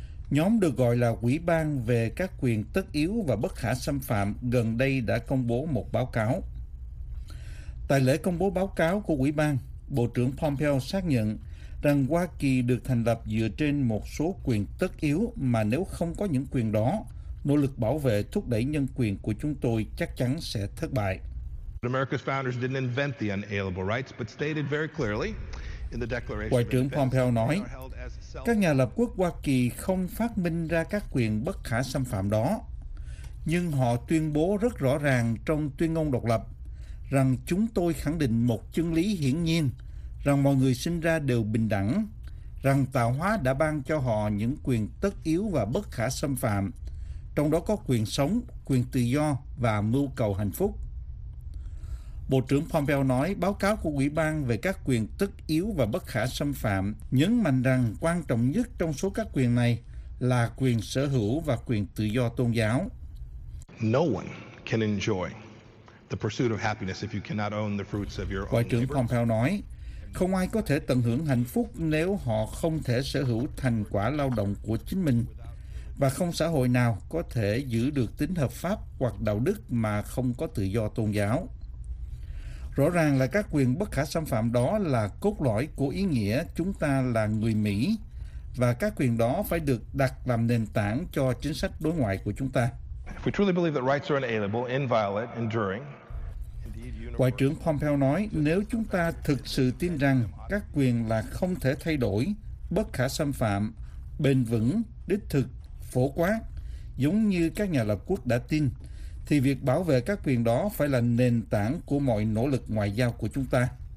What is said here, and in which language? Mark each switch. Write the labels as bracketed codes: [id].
[vi] Nhóm được gọi là Ủy ban về các quyền tất yếu và bất khả xâm phạm gần đây đã công bố một báo cáo. Tại lễ công bố báo cáo của Ủy ban, Bộ trưởng Pompeo xác nhận rằng Hoa Kỳ được thành lập dựa trên một số quyền tất yếu mà nếu không có những quyền đó, nỗ lực bảo vệ thúc đẩy nhân quyền của chúng tôi chắc chắn sẽ thất bại. [en] America's founders didn't invent the inalienable rights, but stated very clearly in the Declaration of Independence. [vi] Ngoại trưởng Pompeo nói, các nhà lập quốc Hoa Kỳ không phát minh ra các quyền bất khả xâm phạm đó, nhưng họ tuyên bố rất rõ ràng trong tuyên ngôn độc lập rằng chúng tôi khẳng định một chân lý hiển nhiên, rằng mọi người sinh ra đều bình đẳng, rằng tạo hóa đã ban cho họ những quyền tất yếu và bất khả xâm phạm, trong đó có quyền sống, quyền tự do và mưu cầu hạnh phúc. Bộ trưởng Pompeo nói, báo cáo của Ủy ban về các quyền tất yếu và bất khả xâm phạm nhấn mạnh rằng quan trọng nhất trong số các quyền này là quyền sở hữu và quyền tự do tôn giáo. [en] No one can enjoy the pursuit of happiness if you cannot own the fruits of your own. [vi] Ngoại trưởng Pompeo nói, không ai có thể tận hưởng hạnh phúc nếu họ không thể sở hữu thành quả lao động của chính mình, và không xã hội nào có thể giữ được tính hợp pháp hoặc đạo đức mà không có tự do tôn giáo. Rõ ràng là các quyền bất khả xâm phạm đó là cốt lõi của ý nghĩa chúng ta là người Mỹ, và các quyền đó phải được đặt làm nền tảng cho chính sách đối ngoại của chúng ta. [en] If we truly believe that rights are inalienable, inviolate, enduring. [vi] Ngoại trưởng Pompeo nói, nếu chúng ta thực sự tin rằng các quyền là không thể thay đổi, bất khả xâm phạm, bền vững, đích thực, phổ quát, giống như các nhà lập quốc đã tin, thì việc bảo vệ các quyền đó phải là nền tảng của mọi nỗ lực ngoại giao của chúng ta.